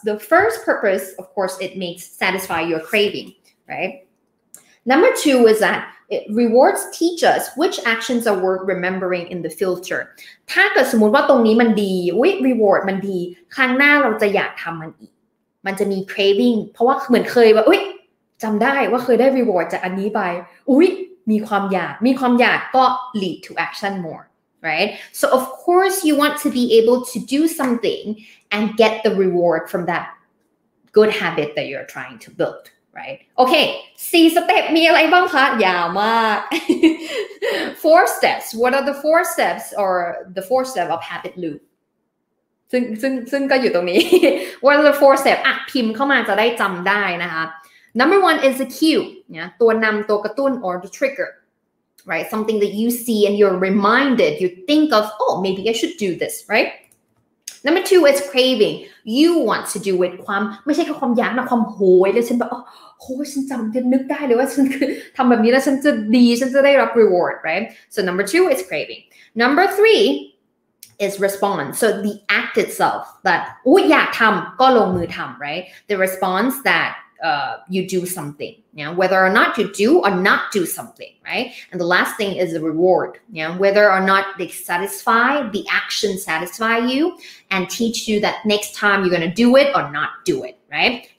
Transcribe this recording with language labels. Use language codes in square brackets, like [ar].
[en] The first purpose, of course, it makes satisfy your craving, right? Number two is that it rewards teach us which actions are worth remembering in the future. [th] ถ้าเกิดสมมุติว่าตรงนี้มันดีวิ reward มันดีครั้งหน้าเราจะอยากทำมันอีกมันจะมี craving เพราะว่าเหมือนเคยว่าอุ๊ยจำได้ว่าเคยได้ reward จากอันนี้ไปอุ๊ยมีความอยากก็ [en] lead to action moreRight? So of course you want to be able to do something and get the reward from that good habit that you're trying to build, right? [th] Okay, 4 step มีอะไรบ้างคะ ยาวมาก 4 steps. [en] What are the 4 steps or the 4 step of habit loop? [th] ซึ่งก็อยู่ตรงนี้ [en] What are the 4 steps? [th] อ่ะพิมพ์เข้ามาจะได้จำได้นะคะ [en] Number 1 is the cue, yeah? [th] ตัวนำตัวกระตุ้น [en] or the triggerRight, something that you see and you're reminded, you think of, oh, maybe I should do this, right? Number 2 is craving. You want to do it. [th] ความไม่ใช่แค่ความอยากนะความโหยแล้วฉันแบบโอ้โหฉันจำจะนึกได้เลยว่าฉันทำแบบนี้แล้วฉันจะดีฉันจะได้รับ reward, right? [en] So number 2 is craving. Number 3 is response. So the act itself that [th] โอ้อยากทำก็ลงมือทำ [en] right? The response thatyou do something, yeah, whether or not you do or not do something, right? And the last thing is the reward, yeah, whether or not they satisfy, the action satisfy you and teach you that next time you're going to do it or not do it, right?